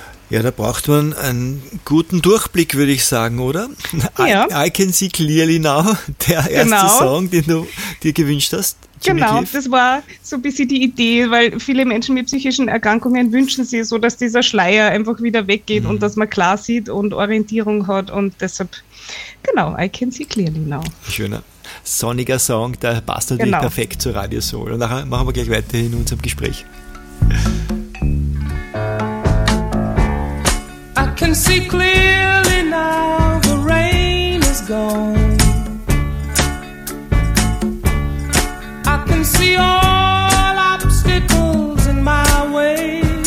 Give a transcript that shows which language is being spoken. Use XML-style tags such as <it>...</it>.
<de>Ja, da braucht man einen guten Durchblick, würde ich sagen, oder? Ja. I can see clearly now, der erste Song, den du dir gewünscht hast. Das war so ein bisschen die Idee, weil viele Menschen mit psychischen Erkrankungen wünschen sich so, dass dieser Schleier einfach wieder weggeht und dass man klar sieht und Orientierung hat. Und deshalb, I can see clearly now. Schöner, sonniger Song, der passt natürlich perfekt zur Radio Soul. Und nachher machen wir gleich weiter in unserem Gespräch.</de> <en>I can see clearly now, the rain is gone. I can see all obstacles in my way.</en>